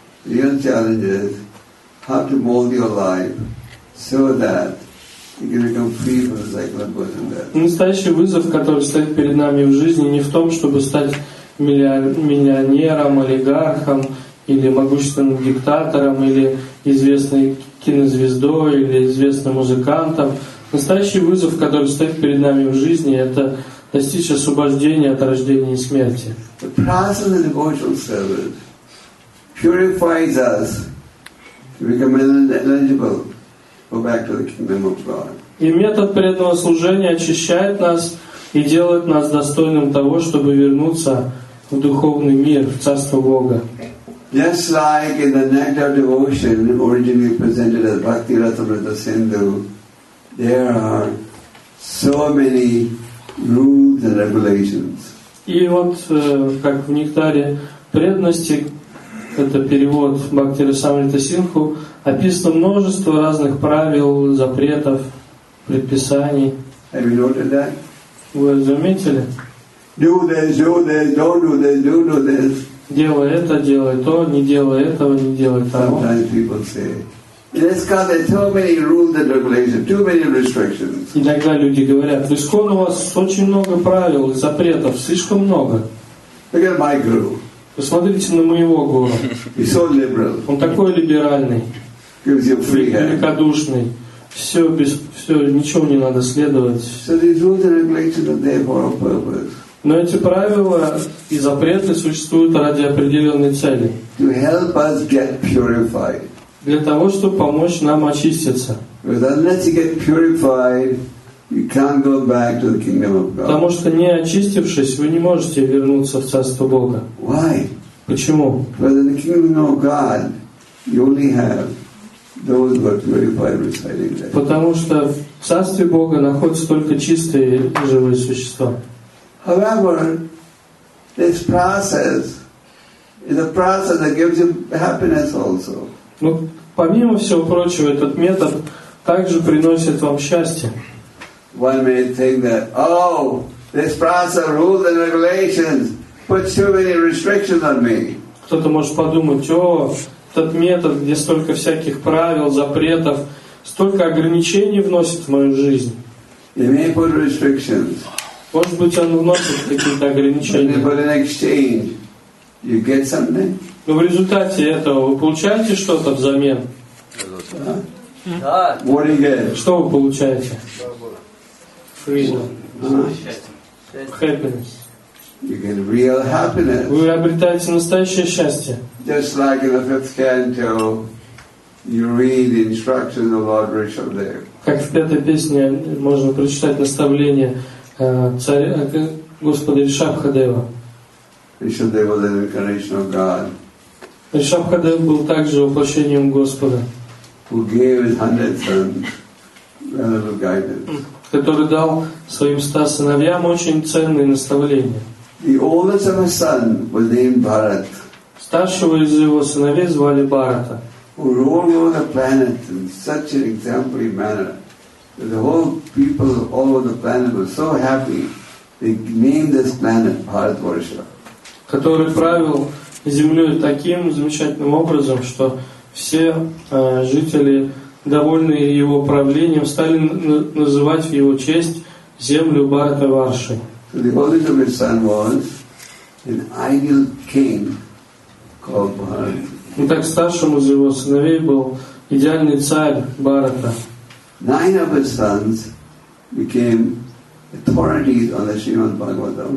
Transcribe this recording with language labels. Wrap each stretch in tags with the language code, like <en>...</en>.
<en>The real challenge is how to mold your life so that you can become free from the cycle of birth and death.</en> <ru>Настоящий вызов, который стоит перед нами в жизни, не в том, чтобы стать миллионером, олигархом или могущественным диктатором или известной кинозвездой или известным музыкантом. Настоящий вызов, который стоит перед нами в жизни, это достичь освобождения от рождения и смерти.</ru> <en>The process of devotional service purifies us to become eligible for back to the kingdom of God.</en> <ru>И метод преданного служения очищает нас и делает нас достойным того, чтобы вернуться в духовный мир, в царство Бога.</ru> <en>Just like in the nectar of devotion, originally presented as Bhakti Rasamrita Sindhu, there are so many rules and regulations.</en> <ru>И вот как в нектаре преданности, это перевод Бхакти Расамрита Синху, описано множество разных правил, запретов, предписаний.</ru> <en>Have you noted that?</en> <ru>Вы заметили?</ru> <en>Do this.</en> <ru>Делай это, делай то, не делай этого, не делай того.</ru> <en>Sometimes people say, "In ISKCON, there are too many rules and regulations, too many restrictions."</en> <ru>Иногда люди говорят: "В ИСККОН у вас очень много правил, запретов, слишком много."</ru> <en>Look at my guru.</en> <ru>Посмотрите на моего гуру.</ru> <en>He's so liberal.</en> <ru>Он такой либеральный.</ru> <en>Gives you free hand.</en> <ru>Великодушный. Все без, все, ничего не надо следовать.</ru> <en>So these rules and regulations are there for a purpose.</en> <ru>Но эти правила и запреты существуют ради определенной цели.</ru> <en>To help us get purified.</en> <ru>Для того, чтобы помочь нам очиститься.</ru> <en>Because unless you get purified, you can't go back to the kingdom of God.</en> <ru>Потому что не очистившись, вы не можете вернуться в царство Бога.</ru> <en>Why?</en> <ru>Почему?</ru> <en>Because in the kingdom of God, you only have those who are purified residing there.</en> <ru>Потому что в царстве Бога находятся только чистые и живые существа.</ru> <en>However, this process is a process that gives you happiness also.</en> <ru>Но помимо всего прочего, этот метод также приносит вам счастье.</ru> <en>One may think that, "Oh, this process of rules and regulations puts too many restrictions on me."</en> <ru>Кто-то может подумать: "О, этот метод, где столько всяких правил, запретов, столько ограничений вносит в мою жизнь."</ru> <en>It may put restrictions.</en> <ru>Может быть, он вносит какие-то ограничения.</ru> <en>But in exchange, you get something.</en> <ru>Но в результате этого вы получаете что-то взамен?</ru> <en>What do you get?</en> <ru>Что вы получаете?</ru> <en>Happiness. You get real happiness.</en> <ru>Вы обретаете настоящее счастье.</ru> <en>Just like in the fifth canto, you read the instructions of Lord Rishabh there.</en> <ru>Как в пятой песне можно прочитать наставление царя Господа Ришабхадева.</ru> <en>Ришабхадева was an incarnation of God.</en> <ru>Ришабхадев был также воплощением Господа.</ru> <en>Who gave his 100 sons valuable guidance.</en> <ru>Который дал своим 100 сыновьям очень ценные наставления.</ru> <en>The oldest of his sons was named Bharat.</en> <ru>Старшего из его сыновей звали Бхарата.</ru> <en>Who ruled over the planet in such an exemplary manner. The whole people all over the planet were so happy. They named this planet Bharatvarsha.</en> <ru>Который правил землей таким замечательным образом, что все жители, довольные его правлением, стали называть в его честь землю Бхаратварши.</ru> <en>So the oldest of his son was an ideal king called Bharat.</en> <ru>И так старшим из его сыновей был идеальный царь Бхарата.</ru> <en>9 of his sons became authorities on the Srimad Bhagavatam.</en>